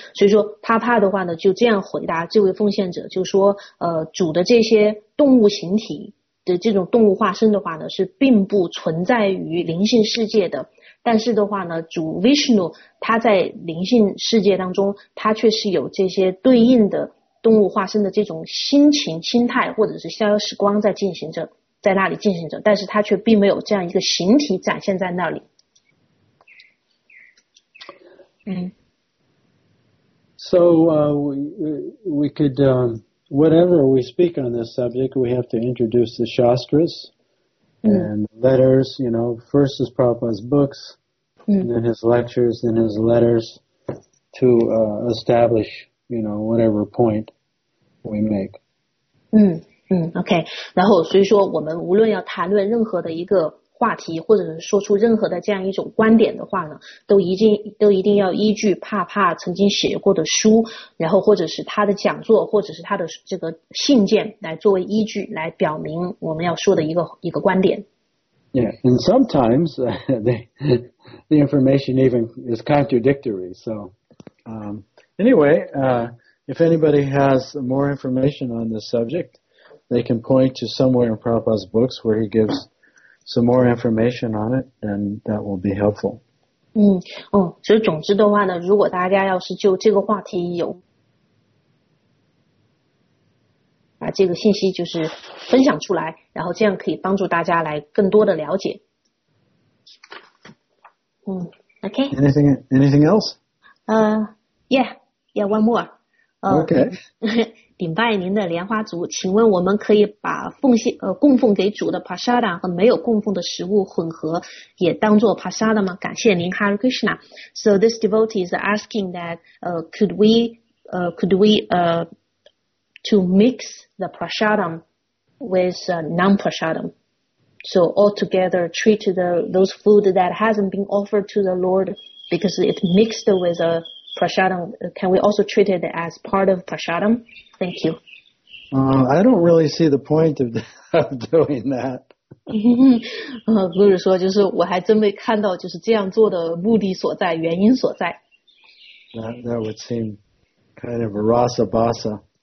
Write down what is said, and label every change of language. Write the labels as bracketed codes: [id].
[zh] 所以说帕帕的话呢就这样回答这位奉献者，就说主的这些动物形体的这种动物化身的话呢是并不存在于灵性世界的，但是的话呢主 Vishnu 他在灵性世界当中他却是有这些对应的动物化身的这种心情心态或者是逍遥时光在进行着，在那里进行着，但是他却并没有这样一个形体展现在那里。 [en] So we could, whatever we speak on this subject, we have to introduce the Shastras and letters, you know, first is Prabhupada's books, and then his lectures, then his letters to establish, you know, whatever point we make. Okay. [zh] 然后所以说我们无论要谈论任何的一个话题或者是说出任何的这样一种观点的话呢，都一定要依据帕帕曾经写过的书，然后或者是他的讲座或者是他的这个信件来作为依据来表明我们要说的一个观点。 [en] Yeah, and sometimes the information even is contradictory. So anyway, if anybody has more information on this subject, they can point to somewhere in Prabhupada's books where he gives some more information on it, then that will be helpful. [zh] 所以总之的话呢，如果大家要是就这个话题有把这个信息就是分享出来，然后这样可以帮助大家来更多的了解。 [en] Okay. Anything else? Yeah, one more. Okay. [zh] 顶拜您的莲花族，请问我们可以把供奉给主的 prasada 和没有供奉的食物混合也当作 prasada 吗？感谢您 Hare Krishna. [en] So this devotee is asking that could we mix the prasadam with non-prasadam? So altogether treat those food that hasn't been offered to the Lord because it mixed with a prasadam. Can we also treat it as part of prasadam? Thank you. I don't really see the point of doing that. [zh] 不是说就是我还真没看到就是这样做的目的所在原因所在 [en] that would seem kind of a rasa basa.